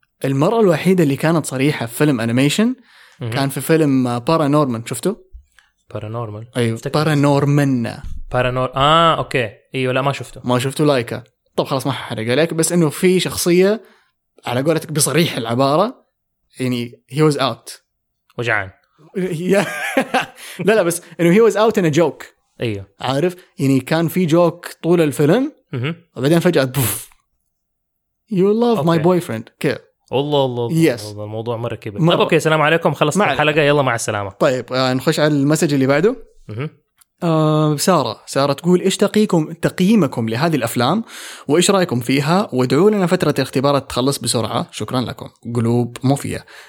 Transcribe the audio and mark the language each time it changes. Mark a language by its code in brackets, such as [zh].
[ar] المرة الوحيدة اللي كانت صريحة في فيلم أنيميشن كان في فيلم بارانورمان، شفته؟ بارانورمان. أيوه. بارانورمان. بارانور. آه أوكي. أيوه لا ما شفته. ما شفته لايكا. طب خلاص ما حرق عليك، بس إنه في شخصية على قولتك بصريح العبارة يعني [en] he was out. [ar] وجعان. لا لا بس إنه [en] he was out in a joke. [ar] أيوه. عارف يعني كان في جوك طول الفيلم. وبعدين فجأة بوف. [en] You love my boyfriend. [ar] كيف؟ الله الله [en] yes. [ar] الموضوع مرة كبير. طيب أوكي سلام عليكم، خلصنا الحلقة يلا مع السلامة. طيب نخش على المسج اللي بعده. سارة، سارة تقول إيش تقييمكم لهذه الأفلام وإيش رأيكم فيها، وادعوا لنا فترة الاختبارات تخلص بسرعة، شكرا لكم. قلوب موفية.